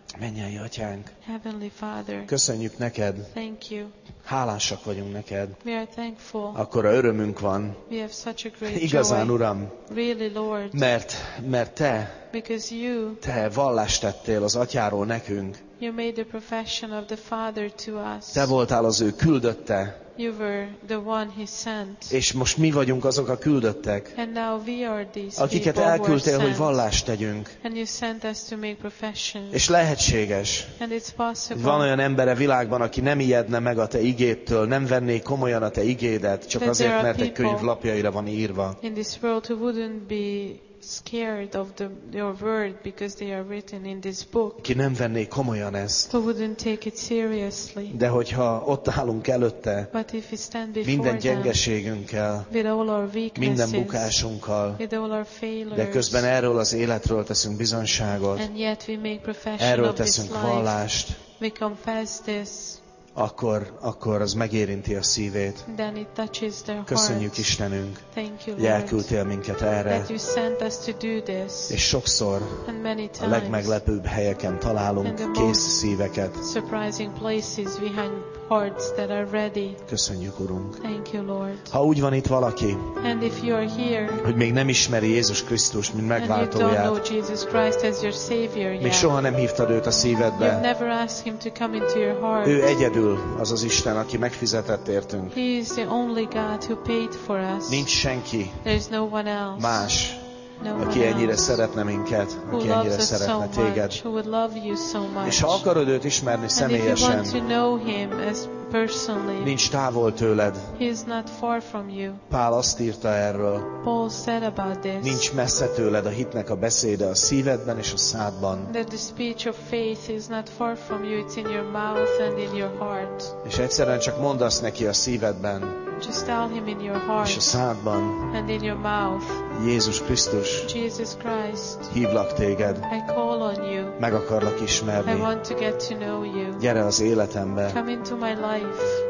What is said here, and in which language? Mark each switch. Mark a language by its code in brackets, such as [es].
[hu] Mennyei Atyánk, [en] Heavenly Father, [hu] köszönjük neked. [en] Thank you. [hu] Hálásak vagyunk neked. [en] We are thankful. [hu] Akkora örömünk van. [en] We have such a great [hu] igazán, [en] joy. [hu] Uram. [en] Really, Lord. [hu] Mert te, [en] because you, [hu] te vallást tettél az Atyáról nekünk. [en] You made the profession of the Father to us. [hu] Te voltál az ő küldötte. [en] You were the one he sent. [hu] És most mi vagyunk azok a küldöttek, [en] and now we are these, [hu] akiket elküldtél, hogy vallást tegyünk. [en] And you sent us to make profession. [hu] És lehetséges, [en] and it's possible. [hu] Van olyan ember a világban, aki nem ijedne meg a te igédtől, nem venné komolyan a te igédet, csak [en] that [hu] azért, mert egy könyv lapjaira van írva. [en] In this world who wouldn't be scared of the, your word because they are written in this book. [hu] Ki nem venné komolyan ezt. [en] Who wouldn't take it seriously. [hu] De hogyha ott állunk előtte, [en] but if we stand before [hu] minden gyengeségünkkel, [en] with all our weaknesses, [hu] minden bukásunkkal, [en] with all our failures, [hu] de közben erről az életről teszünk bizonyságot, [en] and yet we make profession [hu] erről teszünk vallást, [en] we confess this, [hu] akkor az megérinti a szívét. [en] Then it touches their hearts. [hu] Köszönjük Istenünk, hogy elküldtél minket erre. [en] That you sent us to do this. [hu] És sokszor [en] and many times, [hu] a legmeglepőbb helyeken találunk kész szíveket. [en] Surprising places we hang hearts that are ready. [hu] Köszönjük, Urunk. [en] Thank you, Lord. [hu] Ha úgy van itt valaki, [en] and if you are here, [hu] hogy még nem ismeri Jézus Krisztus, mint megváltóját, [en] and you don't know Jesus Christ as your Savior yet, [hu] még soha nem hívtad őt a szívedbe, [en] you've never asked him to come into your heart, [hu] ő egyedül az az Isten, aki megfizetett értünk. [en] He is the only God who paid for us. [hu] Nincs senki [en] there's no one else. [hu] Más. [en] No, [hu] aki ennyire szeretne minket, aki ennyire szeretne [en] so [hu] téged. [en] Much, who would love you so much. [hu] És ha akarod őt ismerni személyesen, [en] and if you want to know him as personally, [hu] nincs távol tőled. [en] He is not far from you. [hu] Pál azt írta erről. [en] Paul said about this. [hu] Nincs messze tőled a hitnek a beszéde a szívedben és a szádban. [en] That the speech of faith is not far from you, it's in your mouth and in your heart. [hu] És egyszerűen csak mondasz neki a szívedben. [en] Just tell him in your heart, [hu] és a szádban, [en] and in your mouth, [hu] Jézus Krisztus, [en] Jesus Christ, [hu] hívlak téged, [en] I call on you, [hu] meg akarlak ismerni, [en] I want to get to know you, [hu] gyere az életembe, [en] come into my life,